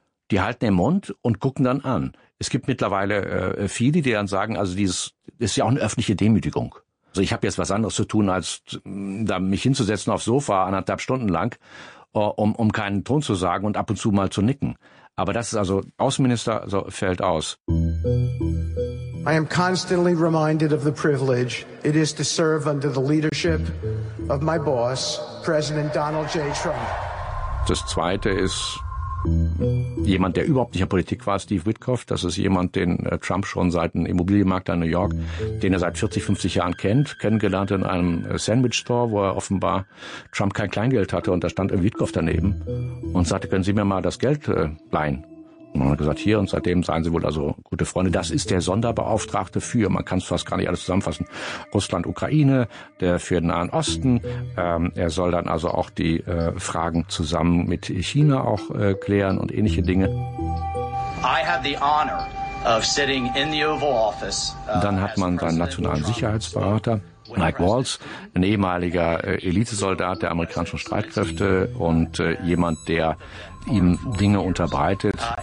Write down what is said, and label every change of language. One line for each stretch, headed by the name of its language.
German: Die halten den Mund und gucken dann an. Es gibt mittlerweile viele, die dann sagen, also dieses ist ja auch eine öffentliche Demütigung. Also ich habe jetzt was anderes zu tun, als da mich hinzusetzen aufs Sofa 1,5 Stunden lang, um keinen Ton zu sagen und ab und zu mal zu nicken. Aber das ist also, Außenminister, so fällt aus.
English: I am constantly reminded of the privilege it is to serve under the leadership of my boss, President Donald J. Trump.
German: Das Zweite ist, jemand, der überhaupt nicht in Politik war, Steve Witkoff, das ist jemand, den Trump schon seit dem Immobilienmakler in New York, den er seit 40, 50 Jahren kennt, kennengelernt in einem Sandwich-Store, wo er offenbar Trump kein Kleingeld hatte und da stand Witkoff daneben und sagte, können Sie mir mal das Geld leihen? Und man hat gesagt, hier, und seitdem seien Sie wohl also gute Freunde. Das ist der Sonderbeauftragte für, man kann es fast gar nicht alles zusammenfassen, Russland, Ukraine, der für den Nahen Osten. Er soll dann also auch die Fragen zusammen mit China auch klären und ähnliche Dinge.
English: I have the honor of sitting in the Oval Office.
German: Dann hat man seinen nationalen Sicherheitsberater, Mike Walls, ein ehemaliger Elitesoldat der amerikanischen Streitkräfte und jemand, der ihm Dinge unterbreitet.